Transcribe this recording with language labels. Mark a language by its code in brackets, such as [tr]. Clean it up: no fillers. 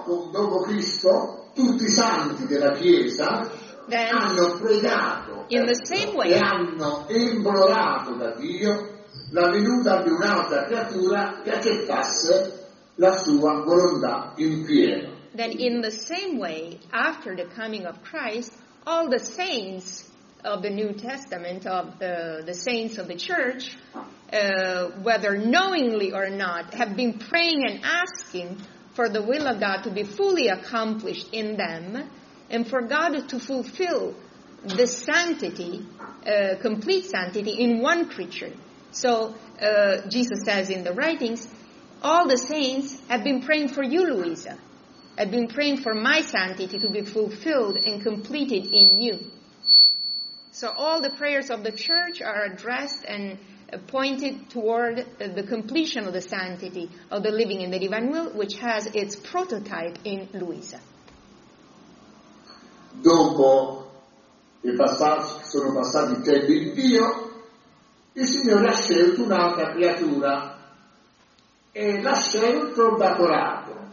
[it] dopo Cristo, tutti i santi della Chiesa hanno pregato [en] in the same way, [it] e hanno implorato da Dio la venuta di un'altra creatura che accettasse la sua volontà in pieno. [en] Then in the same way, after the coming of Christ, all the saints of the New Testament, of the saints of the Church, whether knowingly or not, have been praying and asking for the will of God to be fully accomplished in them and for God to fulfill the sanctity, complete sanctity, in one creature. So, Jesus says in the writings, all the saints have been praying for you, Luisa. Have been praying for my sanctity to be fulfilled and completed in you. So all the prayers of the church are addressed and pointed toward the completion of the sanctity of the living in the divine will, which has its prototype in Luisa. [it] Dopo i passaggi sono passati che il Dio, il Signore ha scelto un'altra creatura e l'ha scelto da corato.